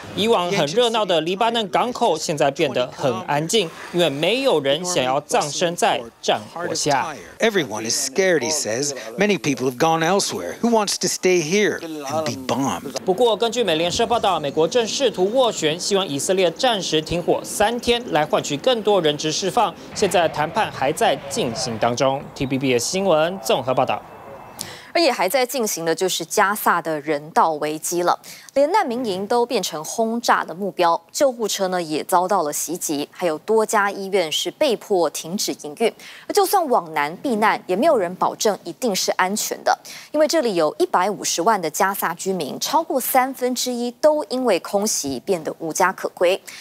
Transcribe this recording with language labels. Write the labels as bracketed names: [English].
[Chinese] 以往很热闹的黎巴嫩港口现在变得很安静，因为没有人想要葬身在战火下。 [English] Everyone is scared, he says. Many people have gone elsewhere. Who wants to stay here and be bombed? [Chinese] 不过，根据美联社报道，美国正试图斡旋，希望以色列暂时停火三天，来换取更多人质释放。现在谈判还在进行当中。 TBB 的新闻综合报道。而也还在进行的就是加萨的人道危机了，连难民营都变成轰炸的目标，救护车呢也遭到了袭击，还有多家医院是被迫停止营运，而就算往南避难，也没有人保证一定是安全的，因为这里有150万的加萨居民，超过三分之一都因为空袭变得无家可归。